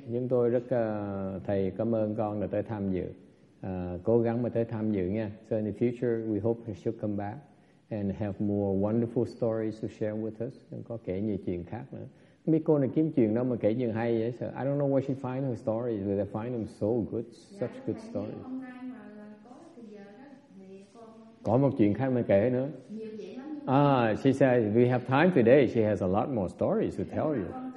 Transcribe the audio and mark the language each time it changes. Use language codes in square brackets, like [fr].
[vi] Chúng tôi rất thầy cảm ơn con đã tới tham dự. Cố gắng mà tới tham dự nha. [en] So in the future, we hope she'll come back and have more wonderful stories to share with us. [vi] Có kể nhiều chuyện khác nữa. Không biết cô này kiếm chuyện đâu mà kể chuyện hay vậy. [en] So I don't know where she find her stories, but I find them so good, such good stories. [vi] Hôm nay mà có thời giờ đó, thì con... Có một chuyện khác mà kể nữa. Nhiều vậy lắm. [en] Ah, she says we have time today. She has a lot more stories to tell you.